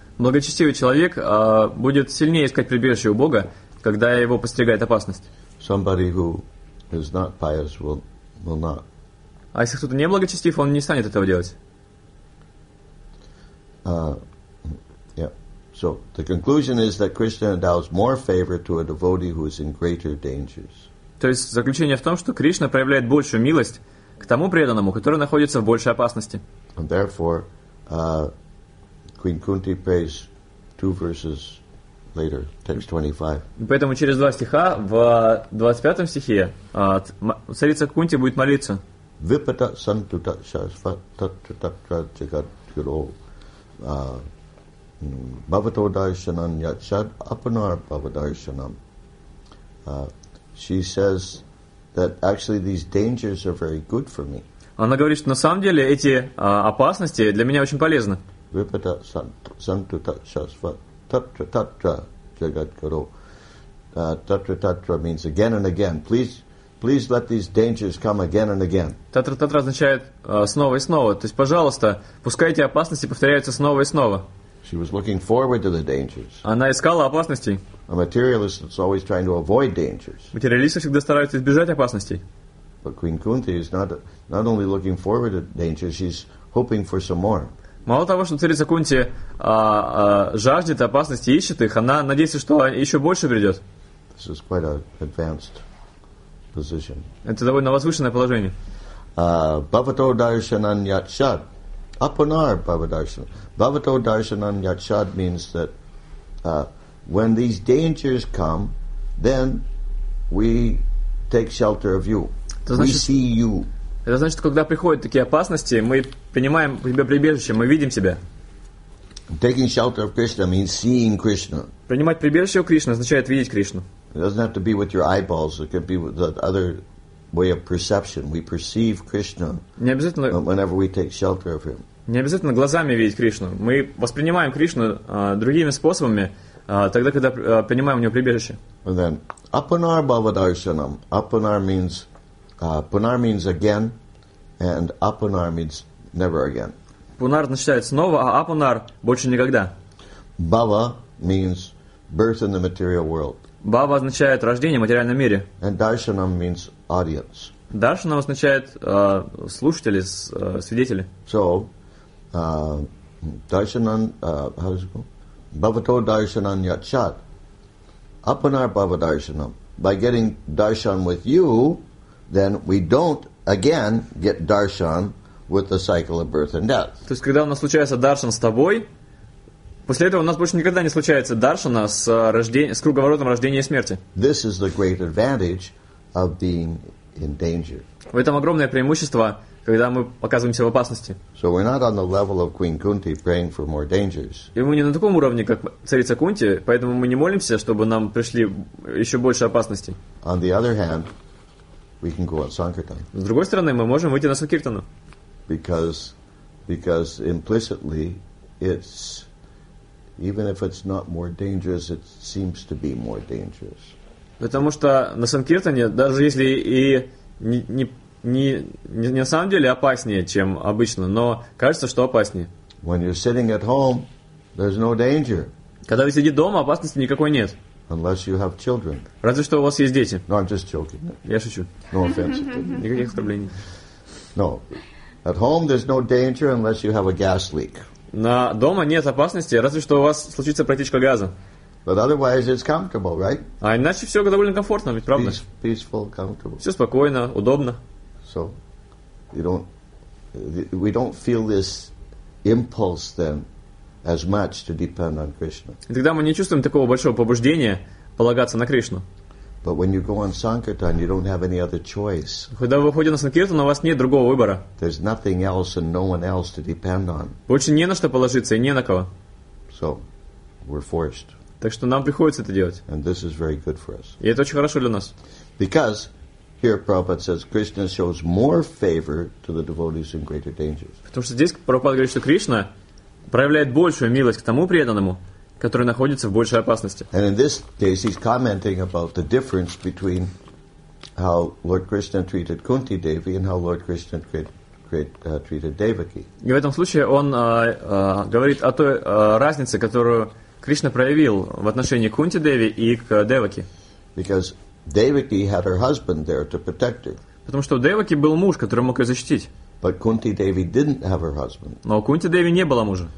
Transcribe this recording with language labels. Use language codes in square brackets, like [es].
[ru] Благочестивый человек будет сильнее искать прибежище у Бога, когда его постигает опасность. [en] Somebody who is not pious will not. [ru] А если кто-то не благочестив, он не станет этого делать. [en] So the conclusion is that Krishna endows more favor to a devotee who is in greater dangers. [ru] То есть заключение в том, что Кришна проявляет большую милость к тому преданному, который находится в большей опасности. [en] And therefore, Queen Kunti prays two verses later, text 25. [ru] Поэтому через два стиха в 25 стихе царица Кунти будет молиться. [sa] Vipata santuta shasvatatratra jagadguru. Bhavato darshanam yachad apanar bhavadarshanam. [en] She says that actually these dangers are very good for me. [ru] Она говорит, что на самом деле эти опасности для меня очень полезны. [sa] Vipata santuta shasvatatratra jagadguru. [en] Tatratatra means again and again. Please let these dangers come again and again. [ru] Татра-татра означает снова и снова. То есть, пожалуйста, пускай эти опасности повторяются снова и снова. [en] She was looking forward to the dangers. [ru] Она искала опасностей. [en] A materialist is always trying to avoid dangers. [ru] Материалисты всегда стараются избежать опасностей. [en] But Queen Kunti is not only looking forward to dangers, she's hoping for some more. [ru] Мало того, что царица Кунти жаждет опасности, ищет их, она надеется, что еще больше придет. [en] This is quite an advanced position. [ru] Это довольно возвышенное положение. [sa] Bhavato darshanan yachad. Apunar bhavadarshanam. Bhavato darshanan yachad [en] means that when these dangers come, then we take shelter of you. [ru] Значит, [en] we see you. [ru] Это значит, когда приходят такие опасности, мы принимаем у тебя прибежище, мы видим тебя. [en] Taking shelter of Krishna means seeing Krishna. [ru] Принимать прибежище у Кришны означает видеть Кришну. [en] It doesn't have to be with your eyeballs. It could be with the other way of perception. We perceive Krishna. [ru] Не обязательно. [en] Whenever we take shelter of him. [ru] Не обязательно глазами видеть Кришну. Мы воспринимаем Кришну другими способами, тогда когда принимаем у него прибежище. [en] And then [sa] apunar bhavadarshanam. [en] Apunar means punar means again, and apunar means never again. [ru] Пунар означает снова, а апунар больше никогда. [en] Bhava means birth in the material world. [ru] Bhava означает рождение в материальном мире. [en] And darshanam means audience. [ru] Darshanam означает слушатели, свидетели. [en] So, darshanam, how does it go? [sa] Bhavato darshanam yachat. Apunar bhava darshanam. [en] By getting darshan with you, then we don't again get darshan with the cycle of birth and death. [ru] То есть, когда у нас случается даршан с тобой, после этого у нас больше никогда не случается даршана с круговоротом рождения и смерти. [en] This is the great advantage of being in danger. [ru] В этом огромное преимущество, когда мы оказываемся в опасности. [en] So we're not on the level of Queen Kunti praying for more dangers. [ru] И мы не на таком уровне, как царица Кунти, поэтому мы не молимся, чтобы нам пришли еще больше опасностей. [en] On the other hand, we can go on sankirtan. [ru] С другой стороны, мы можем выйти на санкиртану. [en] Because implicitly, it's even if it's not more dangerous, it seems to be more dangerous. [ru] Потому что на санкиртане, даже если и не на самом деле опаснее, чем обычно, но кажется, что опаснее. [en] When you're sitting at home, there's no danger. [ru] Когда вы сидите дома, опасности никакой нет. [en] Unless you have children. [ru] Разве что у вас есть дети. [en] No, I'm just joking. [ru] Я шучу. [en] No offense. [ru] Никаких оскорблений. [en] No. At home there's no danger unless you have a gas leak. [ru] На дома нет опасности, разве что у вас случится протечка газа. [en] But otherwise it's comfortable, right? [ru] А иначе все довольно комфортно, ведь правда? [en] Peaceful, comfortable. [ru] Все спокойно, удобно. [en] So we don't feel this impulse then as much to depend on Krishna. [ru] И тогда мы не чувствуем такого большого побуждения полагаться на Кришну. [en] But when you go on sankirtan, you don't have any other choice. [ru] Когда вы выходите на санкиртан, у вас нет другого выбора. [en] There's nothing else and no one else to depend on. [ru] Больше не на что положиться и не на кого. [en] So, we're forced. [ru] Так что нам приходится это делать. [en] And this is very good for us. [ru] И это очень хорошо для нас. [en] Because here Prabhupada says Krishna shows more favor to the devotees in greater dangers. [ru] Потому что здесь Прабхупада говорит, что Кришна проявляет большую милость к тому преданному, который находится в большей опасности. [en] And in this case, he's commenting about the difference between how Lord Krishna treated Kunti Devi and how Lord Krishna treated Devaki. [ru] И в этом случае он говорит о той разнице, которую Кришна проявил в отношении Кунти Деви и к Деваки. [en] Because Devaki had her husband there to protect her. [ru] Потому что у Деваки был муж, который мог ее защитить. [en] But Kunti Devi didn't have her husband. [ru] Но у Кунти Деви не было мужа.